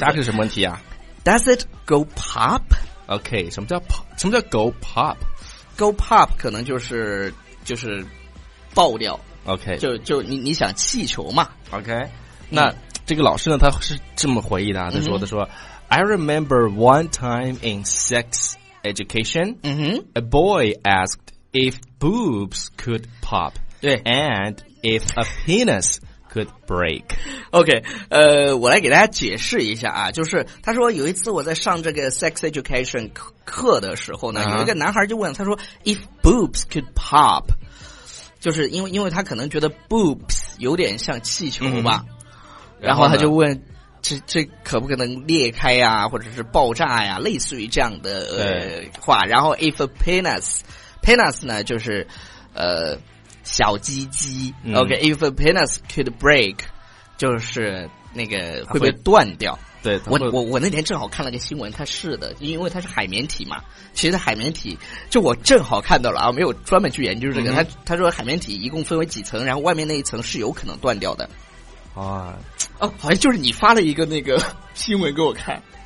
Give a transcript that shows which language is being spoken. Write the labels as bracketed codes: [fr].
[zh] 下一个是什么问题啊 [en] ？Does it go pop？ [zh] OK， 什么叫 pop？ 什么叫 go pop？ Go pop 可能就是爆掉。 [en] OK， [zh] 就你想气球嘛？OK， 那这个老师呢，他是这么回忆的，啊，他说。 [en] I remember one time in sex education, a boy asked if boobs could pop, and if a penis could break. [zh] OK， 我来给大家解释一下啊，就是他说有一次我在上这个 sex education 课的时候呢，有一个男孩就问他说 ， [en] if boobs could pop， [zh] 就是因为他可能觉得 boobs 有点像气球吧，然后他就问。这可不可能裂开呀，或者是爆炸呀，类似于这样的话。然后 [en] if a penis [zh] 呢，就是小鸡鸡。 OK， [en] if a penis could break， [zh] 就是那个会不会断掉？对，我那天正好看了个新闻，它是的，因为它是海绵体嘛。其实海绵体，就我正好看到了啊，没有专门去研究这个。他说海绵体一共分为几层，然后外面那一层是有可能断掉的。啊，哦，好像就是你发了一个那个新闻给我看，